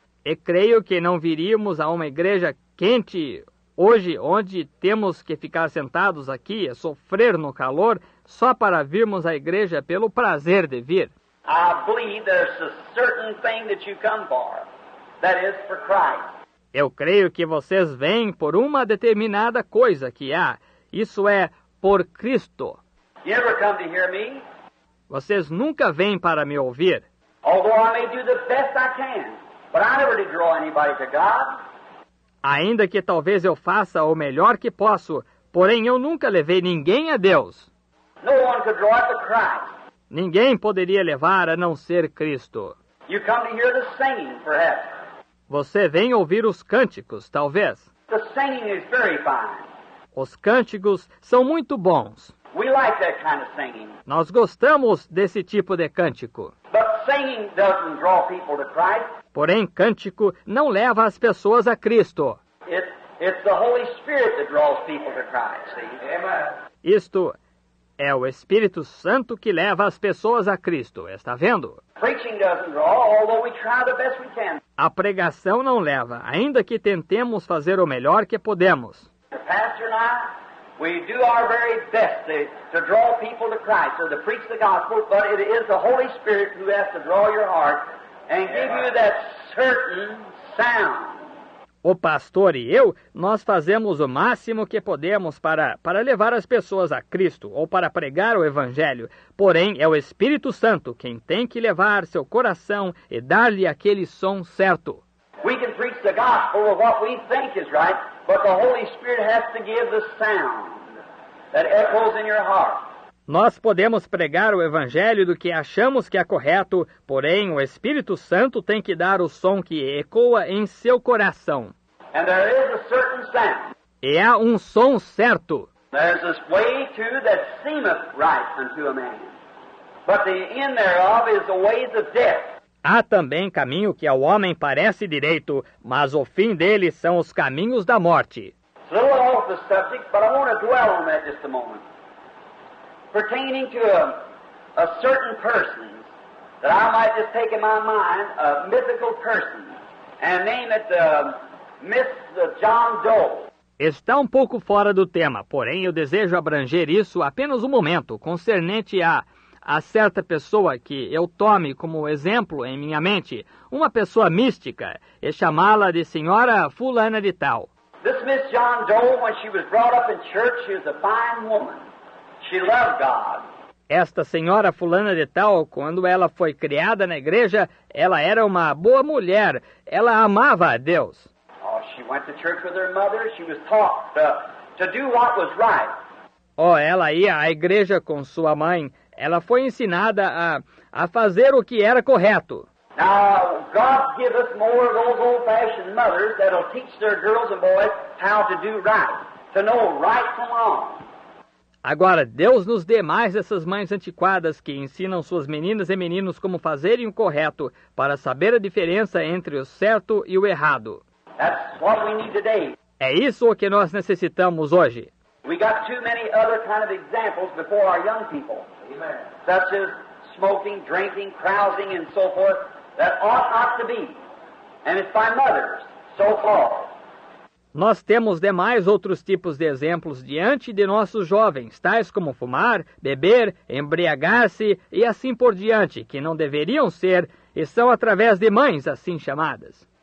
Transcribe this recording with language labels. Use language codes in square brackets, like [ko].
[pt] E creio que não viríamos a uma igreja quente hoje, onde temos que ficar sentados aqui e sofrer no calor, só para virmos à igreja pelo prazer de vir. [en] I believe there's a certain thing that you come for, that is for Christ. [pt] Eu creio que vocês vêm por uma determinada coisa que há, isso é, por Cristo. [en] You ever come to hear me? [pt] Vocês nunca vêm para me ouvir. [en] Although I may do the best I can. But I never did draw anybody to God. [pt] Ainda que talvez eu faça o melhor que posso, porém eu nunca levei ninguém a Deus. [en] No one could draw to Christ. [pt] Ninguém poderia levar a não ser Cristo. [en] You come to hear the singing, perhaps. [pt] Você vem ouvir os cânticos, talvez. [en] The singing is very fine. [pt] Os cânticos são muito bons. [en] We like that kind of singing. [pt] Nós gostamos desse tipo de cântico. [en] But singing doesn't draw people to Christ. [pt] Porém, cântico não leva as pessoas a Cristo. [en] It's the Holy Spirit that draws people to Christ, see? Amen. [pt] Isto é o Espírito Santo que leva as pessoas a Cristo, está vendo? [en] Preaching doesn't draw, although we try the best we can. [pt] A pregação não leva, ainda que tentemos fazer o melhor que podemos. [en] The pastor and I, We do our very best to draw people to Christ, to preach the gospel, but it is the Holy Spirit who has to draw your heart and give you that certain sound. [pt] O pastor e eu, nós fazemos o máximo que podemos para levar as pessoas a Cristo ou para pregar o Evangelho. Porém, é o Espírito Santo quem tem que levar seu coração e dar-lhe aquele som certo. [en] We can preach the gospel of what we think is right, but the Holy Spirit has to give the sound that echoes in your heart. [pt] Nós podemos pregar o Evangelho do que achamos que é correto, porém o Espírito Santo tem que dar o som que ecoa em seu coração. [en] And there is a certain sound. [pt] E há um som certo. [en] There's this way too that seemeth right unto a man, but the end thereof is the ways of death. [pt] Há também caminho que ao homem parece direito, mas o fim dele são os caminhos da morte. [en] A little off the subject, but I want to dwell on that just a moment. Pertaining to a certain person that I might just take in my mind, a mythical person, and name it Miss John Doe. [pt] Está um pouco fora do tema, porém eu desejo abranger isso apenas um momento, concernente a certa pessoa que eu tome como exemplo em minha mente, uma pessoa mística, e chamá-la de Senhora Fulana de Tal. [en] This Miss John Doe, when she was brought up in church, she was a fine woman. She loved God. [pt] Esta senhora fulana de tal, quando ela foi criada na igreja, ela era uma boa mulher. Ela amava a Deus. [en] Oh, she went to church with her mother. She was taught to do what was right. [pt] Oh, ela ia à igreja com sua mãe. Ela foi ensinada a fazer o que era correto. [en] Now, God give us more of those old-fashioned mothers that'll teach their girls and boys how to do right, to know right from wrong. [pt] Agora, Deus nos dê mais essas mães antiquadas que ensinam suas meninas e meninos como fazerem o correto para saber a diferença entre o certo e o errado. [en] That's what we need today. [pt] É isso o que nós necessitamos hoje. [en] We got too many other kind of examples before our young people. Amen. Such as smoking, drinking, carousing, and so forth, that ought not to be. And it's by mothers, so called. [pt] Nós temos demais outros tipos de exemplos diante de nossos jovens, tais como fumar, beber, embriagar-se e assim por diante, que não deveriam ser e são através de mães assim chamadas.